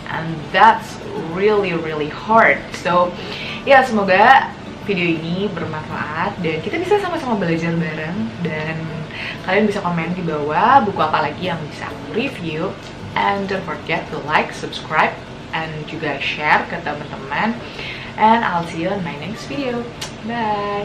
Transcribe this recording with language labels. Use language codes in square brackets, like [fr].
[en] And that's really really hard. [id] So, ya semoga video ini bermanfaat dan kita bisa sama-sama belajar bareng. Dan kalian bisa komen di bawah buku apa lagi yang bisa aku review. [en] And don't forget to like, subscribe, and [id] juga [en] share [id] ke teman-teman. [en] And I'll see you in my next video. Bye!